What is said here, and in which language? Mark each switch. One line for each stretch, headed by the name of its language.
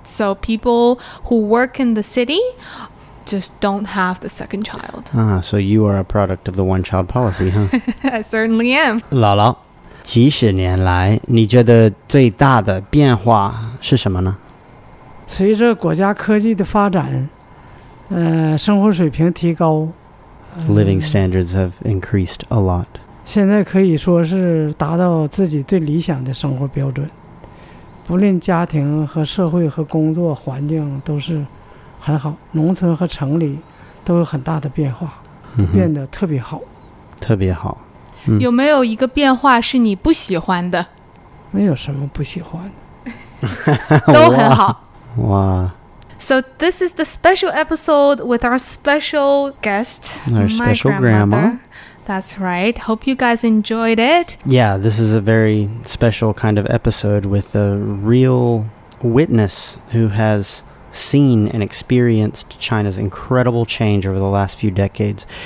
English: So people who work in the city just don't have the second child. Ah, so you are a product of the one-child policy, huh? I certainly am.
Chinese: 姥姥，几十年来，你觉得最大的变化是什么呢？随着国家科技的发展，生活水平提高。
English: Living standards have increased a lot.
Chinese: 现在可以说是达到自己最理想的生活标准。不论家庭和社会和工作环境都是很好，农村和城里都有很大的变化，变得特别好。特别好。有没有一个变化是你不喜欢的？没有什么不喜欢的。都很好。哇。
English: So this is the special episode with our special guest, our special grandma. That's right. Hope you guys enjoyed it. Yeah, this is a very special kind of episode with a real witness who has seen and experienced China's incredible change over the last few decades.